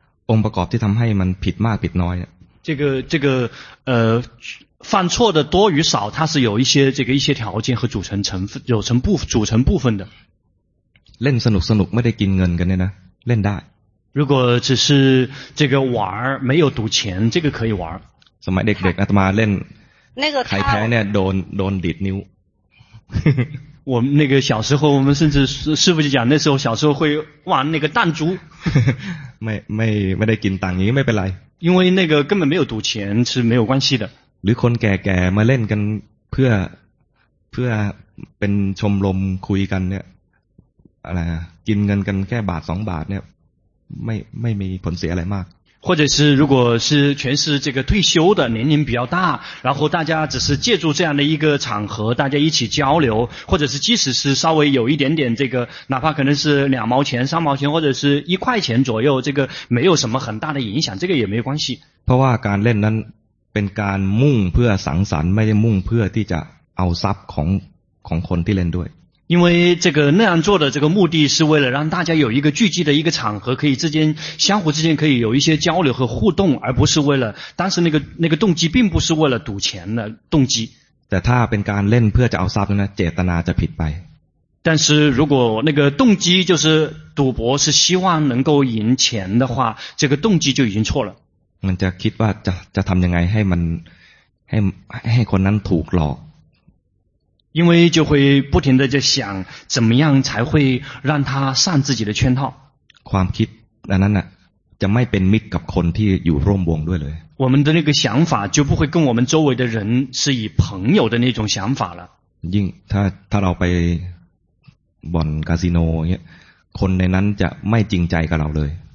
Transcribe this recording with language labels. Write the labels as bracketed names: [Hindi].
[Thai] องค์ประกอบที่ทำให้มันผิดมากผิดน้อย [Chinese] 这个犯错的多与少它是有一些条件和组成部分的 [Thai] เล่นสนุกไม่ได้กินเงินกันเนี่ยนะเล่นได้ [Chinese] 如果只是这个玩没有赌钱这个可以玩 [Thai] สมัยเด็กๆอาตมาเล่น ใคร แพ้เนี่ยโดนดีดนิ้ว [Chinese] 我们那个小时候，我们甚至师父就讲，那时候小时候会玩那个弹珠。没得金蛋，也没得来。因为那个根本没有赌钱是没有关系的。 [Thai] หรือคนแก่ๆมาเล่นกันเพื่อเป็นชมรมคุยกันเนี่ยอะไรกินเงินกันแค่บาทสองบาทเนี่ยไม่มีผลเสียอะไรมาก [Chinese] 或者是如果是全是这个退休的年龄比较大然后大家只是借助这样的一个场合大家一起交流或者是即使是稍微有一点点这个哪怕可能是两毛钱三毛钱或者是一块钱左右这个没有什么很大的影响这个也没关系 [Thai] เพราะว่าการเล่นนั้นเป็นการมุ่งเพื่อสังสรรค์ไม่ได้มุ่งเพื่อที่จะเอาทรัพย์ของคนที่เล่นด้วย [Chinese] 因为这个那样做的这个目的是为了让大家有一个聚集的一个场合，可以之间相互之间可以有一些交流和互动，而不是为了当时那个动机并不是为了赌钱的动机。 [Thai] แต่ถ้าเป็นการเล่นเพื่อจะเอาทรัพย์นะเจตนาจะผิดไป。 [Chinese] 但是如果那个动机就是赌博是希望能够赢钱的话，这个动机就已经错了。 [Thai] มันจะคิดว่าจะทำยังไงให้มันให้คนนั้นถูกหลอก。 [Chinese] 因为就会不停的在想怎么样才会让他上自己的圈套 [Thai] ความคิดนั้นน่ะจะไม่เป็นมิตรกับคนที่อยู่ร่วมวงด้วยเลย [Chinese] 我们的那个想法就不会跟我们周围的人是以朋友的那种想法了 [Thai] ยิ่งถ้าเราไปบ่อนคาสิโนเงี้ยคนในนั้นจะไม่จริงใจกับเราเลย